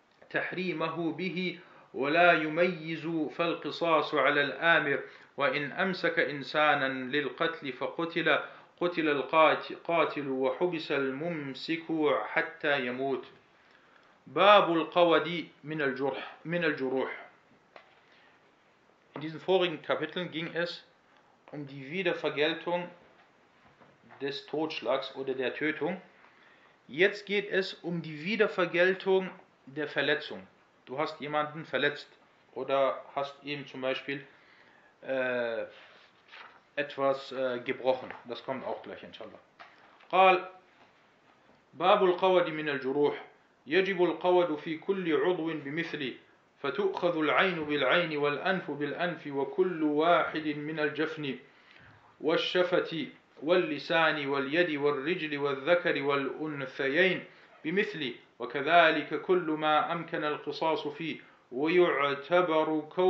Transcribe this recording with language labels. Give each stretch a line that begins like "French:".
Arabic: تحريمه به ولا يميز فالقصاص على الآمر وإن أمسك إنسانا للقتل فقتل قتل القاتل وحبس الممسك حتى يموت باب القود من الجروح.
German: In diesen vorigen Kapiteln ging es um die Wiedervergeltung des Totschlags oder der Tötung. Jetzt geht es um die Wiedervergeltung der Verletzung. Du hast jemanden verletzt oder hast ihm zum Beispiel etwas gebrochen. Das kommt auch gleich, inshallah.
Arabic: قال باب القود من الجروح يجب القود في كل عضو بمثل فتؤخذ العين بالعين والأنف بالأنف وكل واحد من الجفن والشفة واللسان واليد والرجل والذكر والأنثيين بمثل وكذلك كل ما أمكن القصاص فيه ويعتبر